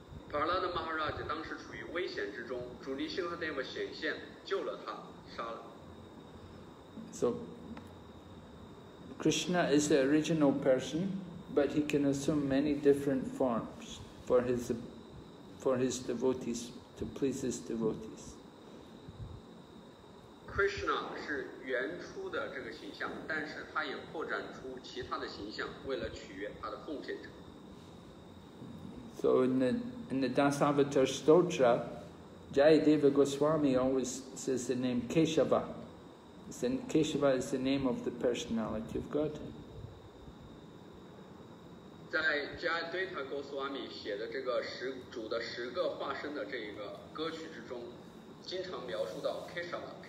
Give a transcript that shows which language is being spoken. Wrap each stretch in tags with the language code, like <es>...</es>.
<zh>Prahlad Maharaj 当时处于危险之中，主 Nrsingadev 显现救了他，杀了。</zh> <en>So, Krishna is the original person, but he can assume many different forms for his devotees, to please his devotees.</en> <zh>Krishna 是原初的这个形象，但是他也扩展出其他的形象，为了取悦他的奉献者。</zh> <en>So in the Dasavatar Stotra, Jayadeva Goswami always says the name Keshava. Then Keshava is the name of the personality of Godhead.</en> <zh>在 Jayadeva Goswami 写的这个主的十个化身的这一个歌曲之中，经常描述到 Keshava.</zh>